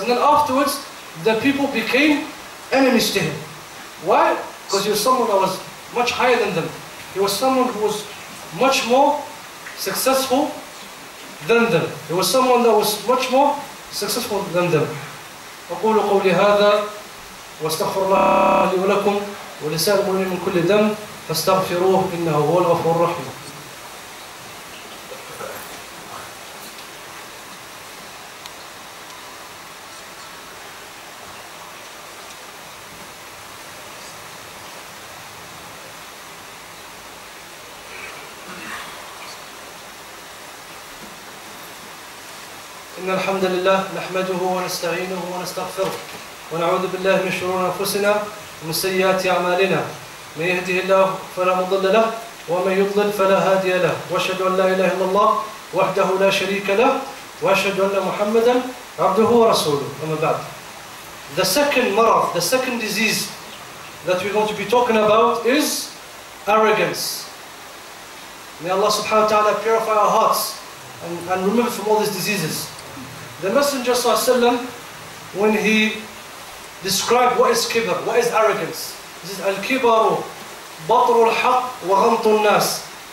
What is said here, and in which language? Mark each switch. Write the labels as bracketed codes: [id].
[en] And then afterwards, the people became enemies to him. Why? Because he was someone that was much higher than them. He was someone who was much more successful than them. He was someone that was much more successful than them. [ar] أقول قولي هذا واستغفر الله لي ولكم ولسائر المؤمنين من كل دم فاستغفروه إنه هو الغفور الرحيم. إن الحمد لله نحمده ونستعينه ونستغفره ونعوذ بالله من شرور أنفسنا ومن سيئات أعمالنا. من يهده الله فلا مضل له ومن يضلل فلا هادي له. وأشهد أن لا إله إلا الله وحده لا شريك له وأشهد أن محمدا عبده ورسوله. أما بعد. [en] The second مرض, the second disease that we're going to be talking about is arrogance. May Allah subhanahu wa ta'ala purify our hearts and remove from all these diseases. The Messenger sallallahu alayhi wa sallam, when he described what is kibar, what is arrogance, he says, [ar] Al-kibaru batru al-haq wa ghamtu al-nas.